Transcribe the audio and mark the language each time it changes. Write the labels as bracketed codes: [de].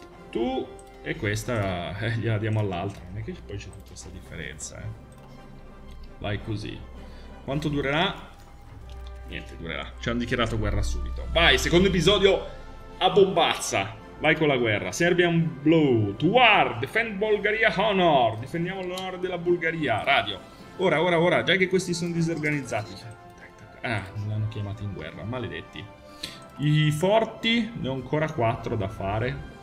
[it] Tu e questa gliela diamo all'altra. Non è che poi c'è tutta questa differenza, eh. Vai così. Quanto durerà? Niente, durerà. Ci hanno dichiarato guerra subito. Vai, secondo episodio a bombazza. Vai con la guerra. [en] Serbian Blue, to war, defend Bulgaria honor. [it] Difendiamo l'onore della Bulgaria. Radio. Ora, ora, ora, già che questi sono disorganizzati. Ah, non l'hanno chiamato in guerra, maledetti. I forti, ne ho ancora 4 da fare.